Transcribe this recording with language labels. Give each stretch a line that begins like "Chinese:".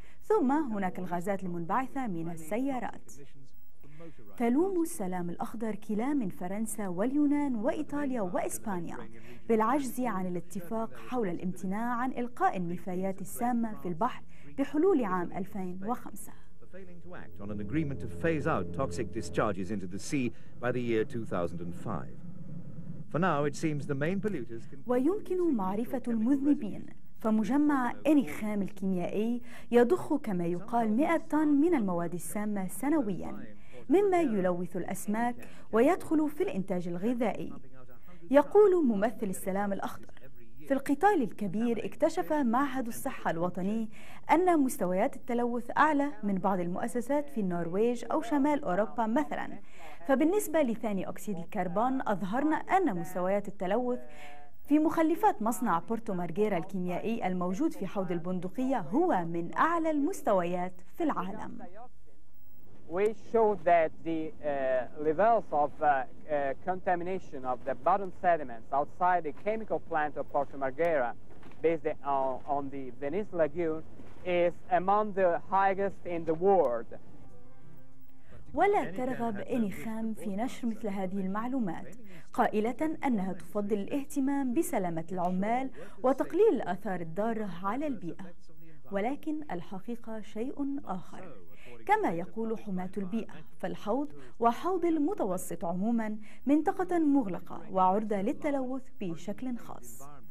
Arabic: ثم هناك الغازات المنبعثة من السيارات. تلوم السلام الأخضر كلا من فرنسا واليونان وإيطاليا وإسبانيا بالعجز عن الاتفاق حول الامتناع عن إلقاء النفايات السامة في البحر بحلول عام 2005.
English: Failing to act on an agreement to phase out toxic discharges into the sea by the year 2005. For now, it seems the main polluters.
Arabic: ويمكن معرفة المذنبين. فمجمع إنخام الكيميائي يضخ كما يقال 100 طن من المواد السامة سنوياً، مما يلوث الأسماك ويدخل في الإنتاج الغذائي. يقول ممثل السلام الأخضر: في القتال الكبير اكتشف معهد الصحة الوطني أن مستويات التلوث أعلى من بعض المؤسسات في النرويج أو شمال أوروبا مثلا، فبالنسبة لثاني أكسيد الكربون أظهرنا أن مستويات التلوث في مخلفات مصنع بورتو مارغيرا الكيميائي الموجود في حوض البندقية هو من أعلى المستويات في العالم.
English: We showed that the levels of contamination of the bottom sediments outside the chemical plant of Porto Marghera, based on the Venice Lagoon, is among the highest in the world.
Arabic: ولا ترغب أني خام في نشر مثل هذه المعلومات، قائلة أنها تفضل الاهتمام بسلامة العمال وتقليل الآثار الضارة على البيئة. ولكن الحقيقة شيء آخر. كما يقول حماة البيئة، فالحوض وحوض المتوسط عموما منطقة مغلقة وعرضة للتلوث بشكل خاص.